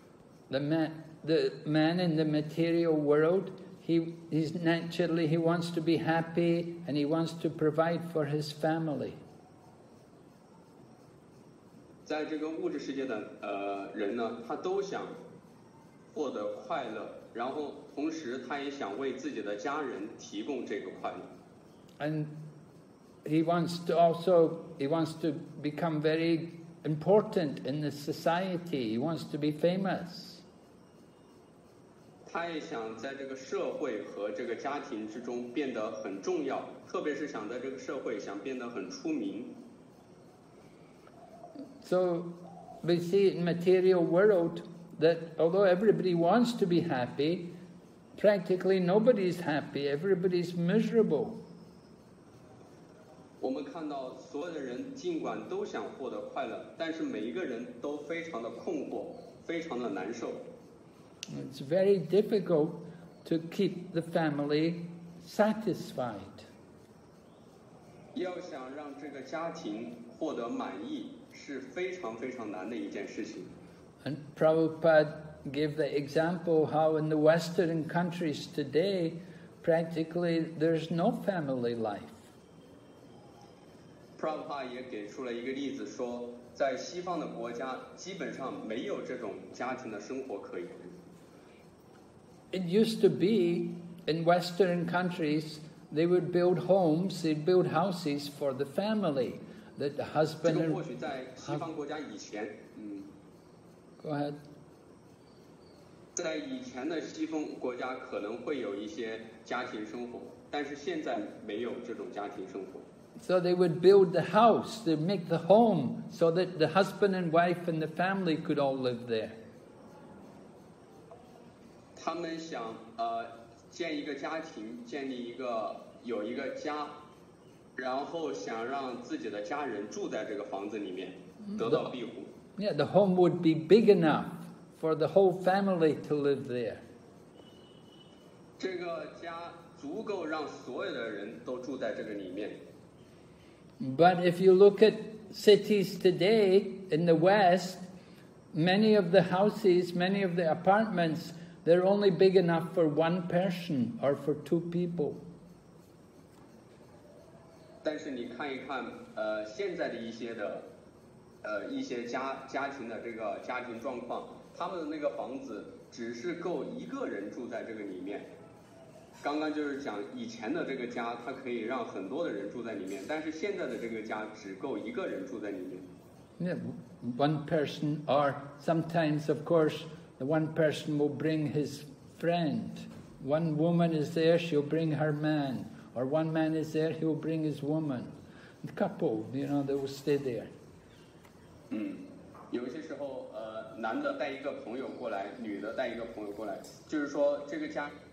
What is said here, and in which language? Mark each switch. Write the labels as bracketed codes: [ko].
[zh] 然后到山上，这个山上呢有很多的这个小石头，这些小石头足以能够把这个足你的脚给划破。然后这个山里面呢还有很多的荆棘，所以呢要去到这个山里面是充满了很多的这种痛苦的。 [en] The man in the material world, He's naturally, he wants to be happy and he wants to provide for his family. [zh] 在这个物质世界的人呢, 他都想获得快乐, 然后同时他也想为自己的家人提供这个快乐。 [en] And he wants to also, he wants to become very important in the society. He wants to be famous. [zh] 他也想在这个社会和这个家庭之中变得很重要，特别是想在这个社会想变得很出名。 [en] So we see in material world that although everybody wants to be happy, practically nobody is happy. Everybody is miserable. [zh] 我们看到所有的人尽管都想获得快乐，但是每一个人都非常的困惑，非常的难受。 [en] It's very difficult to keep the family satisfied. [zh] 要想让这个家庭获得满意。是非常非常难的一件事情。 [en] And Prabhupada gave the example how in the Western countries today, practically there's no family life. [zh] Prabhupada 也给出了一个例子说，在西方的国家基本上没有这种家庭的生活可言。 [en] It used to be in Western countries, they would build homes, they'd build houses for the family. That the husband [zh] and... 这个或许在西方国家以前、 [en] Go ahead. [zh] 在以前的西方国家可能会有一些家庭生活，但是现在没有这种家庭生活。 [en] So they would build the house, they make the home, so that the husband and wife and the family could all live there. [zh] 他们想、建一个家庭，建立一个，有一个家，然后想让自己的家人住在这个房子里面，得到庇护。 [en] Yeah, the home would be big enough for the whole family to live there. [zh] 这个家足够让所有的人都住在这个里面。 [en] But if you look at cities today in the West, many of the houses, many of the apartments, they're only big enough for one person or for two people. [zh] 但是你看一看，现在的一些的，一些家庭的这个家庭状况，他们的那个房子只是够一个人住在这个里面。刚刚就是讲以前的这个家，它可以让很多的人住在里面，但是现在的这个家只够一个人住在里面。 [en] Yeah, one person, or sometimes, of course, the one person will bring his friend. One woman is there, she'll bring her man. Or one man is there, he will bring his woman. The couple, you know, they will stay there. [zh] 有些时候，男的带一个朋友过来，女的带一个朋友过来，就是说这个家，